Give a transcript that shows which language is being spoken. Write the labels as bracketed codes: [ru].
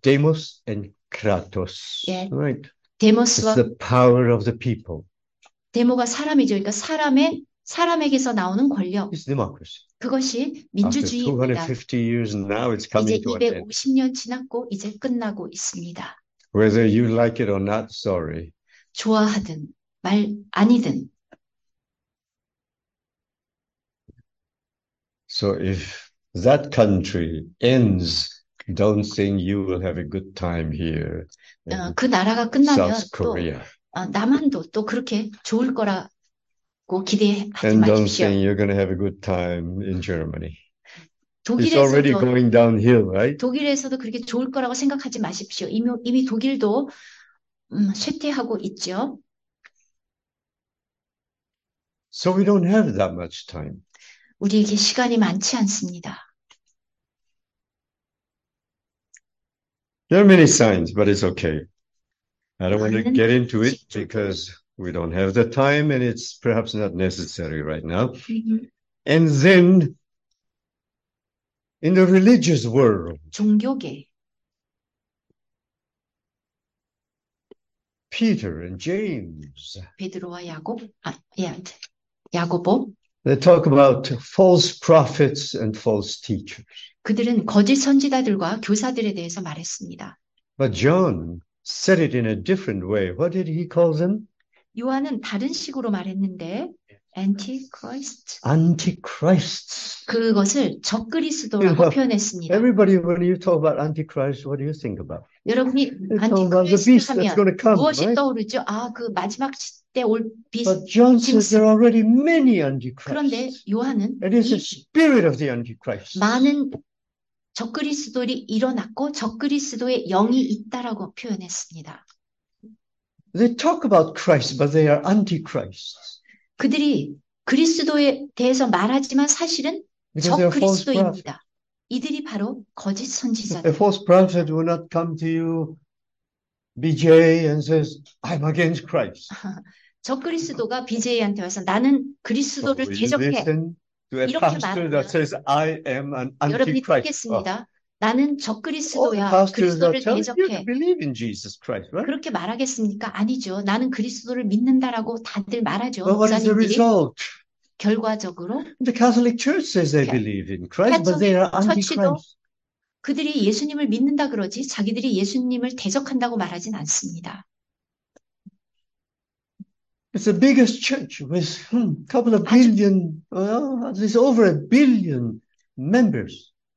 [en] demos and kratos, [ko] 예. [en] right? It's [ko] 데모스와 [en] the power of the people. [ko] 데모가 사람이죠. 그러니까 사람에게서 나오는 권력. [en] It's democracy. [ko] 그것이 [en] After [ko] 민주주의입니다. [en] 250 years, now it's [ko] 이제 [en] coming to an end. [ko] 250년 지났고 이제 끝나고 있습니다. [en] Whether you like it or not, sorry. [ko] 좋아하든 말 아니든. [en] So if that country ends, don't think you will have a good time here in [ko] 그 나라가 [en] South [ko] 끝나면 또 [en] Korea. [ko] 남한도 또 그렇게 좋을 거라고 기대하지 [en] And don't [ko] 마십시오. [en] think you're going to have a good time in Germany. It's already [ko] 독일에서도 [en] going downhill, right? [ko] 그렇게 좋을 거라고 생각하지 마십시오. 이미 독일도 쇠퇴하고 있죠. [en] So we don't have that much time. [ko] 우리에게 시간이 많지 않습니다. [en] There are many signs, but it's okay. I don't want to [ko] 많은 [en] get into it [ko] 징조들. [en] because we don't have the time and it's perhaps not necessary right now. And then, in the religious world, [ko] 종교계. [en] Peter and James, [ko] 베드로와 야곱, 야고보. [en] they talk about false prophets and false teachers. [ko] 그들은 거짓 선지자들과 교사들에 대해서 말했습니다. [en] But John said it in a different way. What did he call them? [ko] 요한은 다른 식으로 말했는데, 안티크라이스트. [en] Antichrists. [ko] 그것을 적그리스도라고 [en] You know, [ko] 표현했습니다. [en] everybody, when you talk about Antichrist, what do you think about? [ko] 여러분이 [en] You talk about the [ko] 안티크라이스트 [en] beast that's [ko] 하면 [en] going to come, [ko] 무엇이 [en] right? [ko] 떠오르죠? 아, 그 마지막 때올 [en] But John says there are already many [ko] 그런데 [en] Antichrists. [ko] 요한은 [en] It is the [ko] 이 [en] spirit of the Antichrists. [ko] 많은 적그리스도들이 일어났고 적그리스도의 영이 있다라고 표현했습니다. [en] They talk about Christ, but they are Antichrists. [ko] 그들이 그리스도에 대해서 말하지만 사실은 [en] Because they are false prophets. [ko] 적그리스도입니다. 이들이 바로 거짓 [en] A [ko] 선지자들입니다. [en] false prophet will not come to you, BJ, and says, I'm against Christ. [ko] 적그리스도가 BJ한테 와서 나는 [en] So, [ko] 그리스도를 [en] will you [ko] 대적해. [en] listen to a [ko] 이렇게 [en] pastor that [ko] 말하면 [en] says, I am an [ko] 여러분이 [en] antichrist? Oh, [ko] 듣겠습니다. 나는 [en] all the [ko] 적그리스도야. [en] pastors are [ko] 그리스도를 [en] telling you to [ko] 대적해. [en] believe in Jesus Christ, right? [ko] 그렇게 말하겠습니까? 아니죠. 나는 그리스도를 믿는다라고 다들 말하죠. [en] But what is the [ko] 목사님들이. [en] result? [ko] 결과적으로 [en] The Catholic Church says they believe in Christ, but they [ko] 가톨릭 [en] are [ko] 처치도 [en] anti-Christ. [ko] 그들이 예수님을 믿는다 그러지 자기들이 예수님을 대적한다고 말하진 않습니다. [en] It's the biggest church with a couple of [ko] 아주 [en] billion, well, at least over a billion members.